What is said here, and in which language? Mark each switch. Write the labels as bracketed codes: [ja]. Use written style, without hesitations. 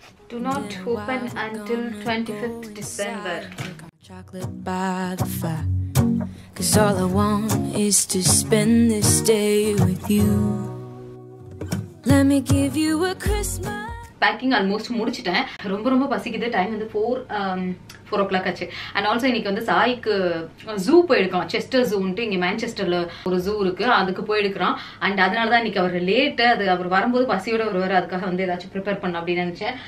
[en] To not open until 25th December. Chocolate by the fire, cause all I want is to spend this day with you. Let me give you a Christmas. [ta] Packing almost முடிச்சிட்டேன், ரொம்ப ரொம்ப பசிக்குது. Time வந்து 4:00 ஆச்சு. And also இன்னைக்கு வந்து சாய்க்கு zoo போயிருக்கோம், Chester ஜூன்ட்டு இங்கே மேன்செஸ்டரில் ஒரு ஜூ இருக்குது, அதுக்கு போயிருக்கிறோம். அண்ட் அதனால தான் இன்றைக்கி அவர் லேட்டு, அது அவர் வரும்போது பசியோட வருவார், அதுக்காக வந்து ஏதாச்சும் ப்ரிப்பேர் பண்ண அப்படின்னு நினச்சேன்.